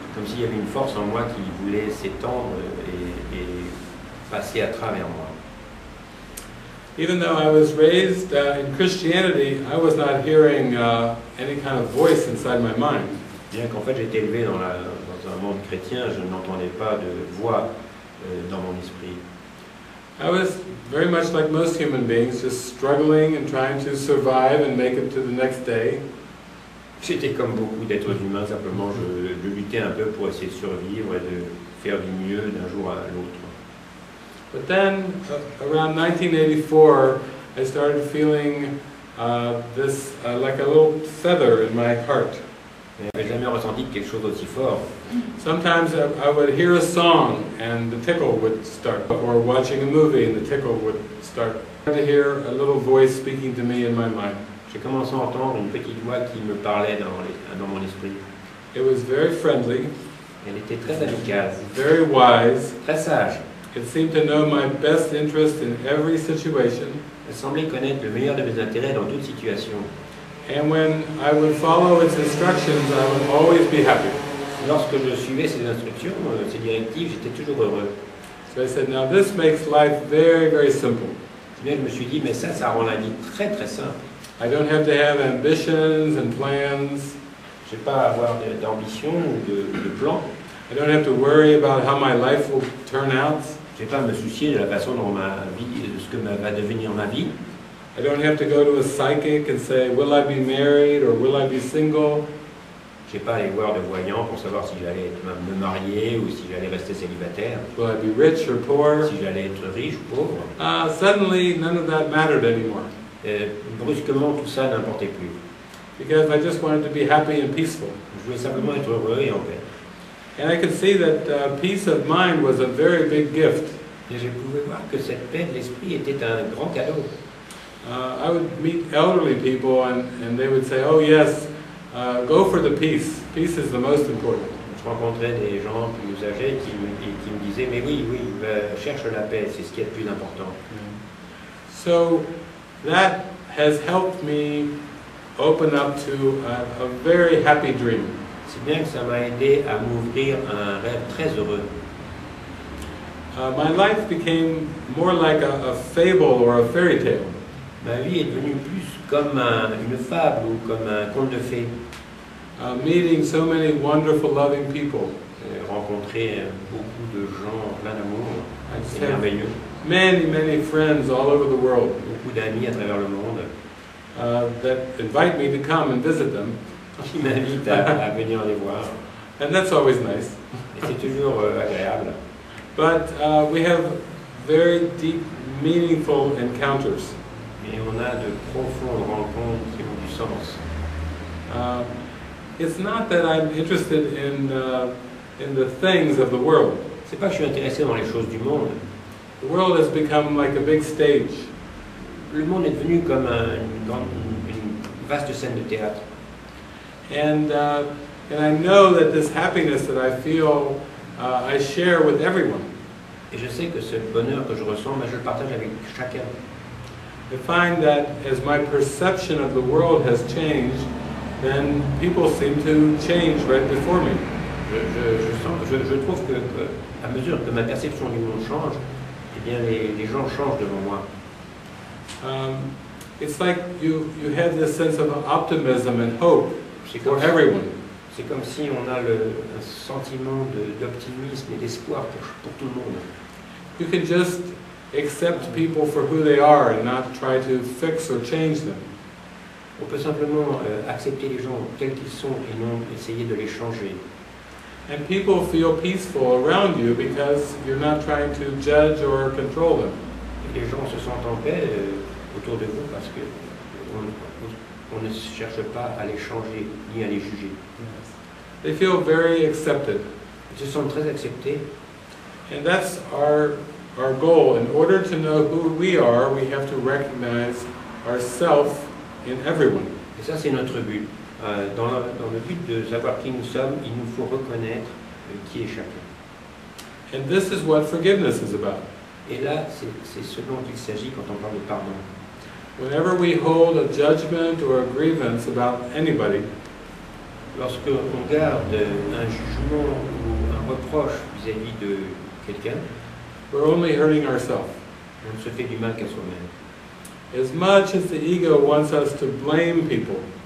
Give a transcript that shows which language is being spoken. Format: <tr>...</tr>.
<fr>Comme s'il y avait une force en moi qui voulait s'étendre et passer à travers moi.</fr> <en>Even though I was raised in Christianity, I was not hearing any kind of voice inside my mind.</en> <fr>Bien qu'en fait j'étais élevé dans un monde chrétien, je n'entendais pas de voix dans mon esprit.</fr> <en>I was very much like most human beings, just struggling and trying to survive and make it to the next day.</en> <fr>J'étais comme beaucoup d'êtres humains, simplement je luttais un peu pour essayer de survivre et de faire du mieux d'un jour à l'autre.</fr> <en>But then, around 1984, I started feeling this like a little feather in my heart.</en> <fr>Je n'avais jamais ressenti quelque chose aussi fort.</fr> <en>Sometimes I would hear a song and the tickle would start, or watching a movie and the tickle would start. I started to hear a little voice speaking to me in my mind.</en> <fr>J'ai commencé à entendre une petite voix qui me parlait dans mon esprit.</fr> <en>It was very friendly.</en> <fr>Elle était très amicale.</fr> <en>Very wise.</en> <fr>Très sage.</fr> <en>It seemed to know my best interest in every situation.</en> <fr>Elle semblait connaître le meilleur de mes intérêts dans toute situation.</fr> <en>And when I would follow its instructions, I would always be happy.</en> <fr>Lorsque je suivais ses instructions, ses directives, j'étais toujours heureux.</fr> <en>So I said, now this makes life very, very simple.</en> <fr>Bien, je me suis dit, mais ça rend la vie très, très simple.</fr> <en>I don't have to have ambitions and plans.</en> <fr>J'ai pas à avoir d'ambition ou de plan.</fr> <en>I don't have to worry about how my life will turn out.</en> <fr>J'ai pas à me soucier de la façon dont ma vie, de ce que va devenir ma vie.</fr> <en>I don't have to go to a psychic and say, will I be married or will I be single?</en> <fr>J'ai pas à aller voir de voyant pour savoir si j'allais me marier ou si j'allais rester célibataire.</fr> <en>Will I be rich or poor?</en> <fr>Si j'allais être riche ou pauvre.</fr> <en>Suddenly, none of that mattered anymore.</en> <fr>Brusquement, tout ça n'importait plus.</fr> <en>Because I just wanted to be happy and peaceful.</en> <fr>Je voulais simplement être heureux et en paix.</fr> <en>And I could see that peace of mind was a very big gift.</en> <fr>Et je pouvais voir que cette paix de l'esprit était un grand cadeau.</fr> <en>I would meet elderly people and they would say, oh yes, go for the peace. Peace is the most important.</en> <fr>Je rencontrais des gens plus âgés qui me disaient, mais oui, cherche la paix, c'est ce qui est le plus important.</fr> <en>So that has helped me open up to a very happy dream.</en> <fr>C'est bien que ça m'a aidé à m'ouvrir un rêve très heureux.</fr> <en>My life became more like a fable or a fairy tale.</en> <fr>Ma vie est devenue plus comme une fable ou comme un conte de fées.</fr> <en>Meeting so many wonderful, loving people.</en> <fr>Rencontrer beaucoup de gens plein d'amour, c'est merveilleux.</fr> <en>Many, many friends all over the world.</en> <fr>Beaucoup d'amis à travers le monde.</fr> <en>That invite me to come and visit them.</en> <fr>Qui m'invitent à venir les voir.</fr> <en>And that's always nice.</en> <fr>Et c'est toujours agréable.</fr> <en>But we have very deep, meaningful encounters.</en> <fr>Et on a de profondes rencontres qui ont du sens.</fr> <en>It's not that I'm interested in the things of the world.</en> <fr>C'est pas que je suis intéressé dans les choses du monde.</fr> <en>The world has become like a big stage.</en> <fr>Le monde est devenu comme une vaste scène de théâtre.</fr> <en>And I know that this happiness that I feel I share with everyone.</en> <fr>Et je sais que ce bonheur que je ressens, ben je le partage avec chacun.</fr> <en>I find that as my perception of the world has changed, then people seem to change right before me.</en> <fr>Je trouve que à mesure que ma perception du monde change, eh bien les gens changent devant moi.</fr> <en>It's like you have this sense of optimism and hope for everyone.</en> <fr>C'est comme si on a un sentiment d'optimisme et d'espoir pour tout le monde.</fr> <en>You can just accept people for who they are and not try to fix or change them.</en> <fr>On peut simplement accepter les gens tels qu'ils sont et non essayer de les changer.</fr> <en>And people feel peaceful around you because you're not trying to judge or control them.</en> <fr>Et les gens se sentent en paix autour de vous parce qu'on ne cherche pas à les changer ni à les juger.</fr> <en>They feel very accepted.</en> <fr>Ils se sentent très acceptés.</fr> <en>And that's our goal. In order to know who we are, we have to recognize ourselves in everyone.</en> <fr>Et ça, c'est notre but. Dans le but de savoir qui nous sommes, il nous faut reconnaître qui est chacun.</fr> <en>And this is what forgiveness is about.</en> <fr>Et là, c'est ce dont il s'agit quand on parle de pardon.</fr> <en>Whenever we hold a judgment or a grievance about anybody,</en> <fr>lorsque on garde un jugement ou un reproche vis-à-vis de quelqu'un,</fr> <en>we're only hurting ourselves.</en> <fr>On ne se fait du mal qu'à soi-même.</fr> <en>As much as the ego wants us to blame people,</en>